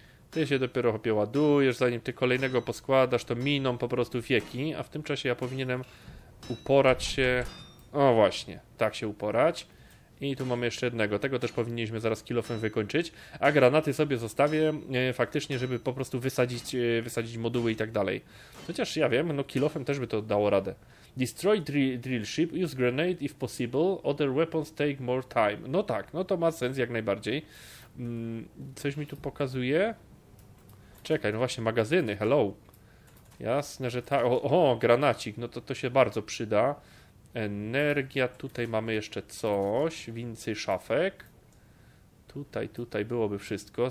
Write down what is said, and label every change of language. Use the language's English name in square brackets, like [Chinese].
[Polish] Ty się dopiero chopie ładujesz, zanim ty kolejnego poskładasz, to miną po prostu wieki, a w tym czasie ja powinienem uporać się, o właśnie, tak się uporać. I tu mamy jeszcze jednego, tego też powinniśmy zaraz kill-offem wykończyć, a granaty sobie zostawię faktycznie, żeby po prostu wysadzić moduły i tak dalej. Chociaż ja wiem, no kill-offem też by to dało radę. [English] Destroy drill ship, use grenade if possible, other weapons take more time. [Polish] No tak, no to ma sens jak najbardziej. Coś mi tu pokazuje. Czekaj, no właśnie, magazyny, hello. Jasne, że ta... O, granacik, no to się bardzo przyda. Energia, tutaj mamy jeszcze coś. Wincy, szafek. Tutaj byłoby wszystko.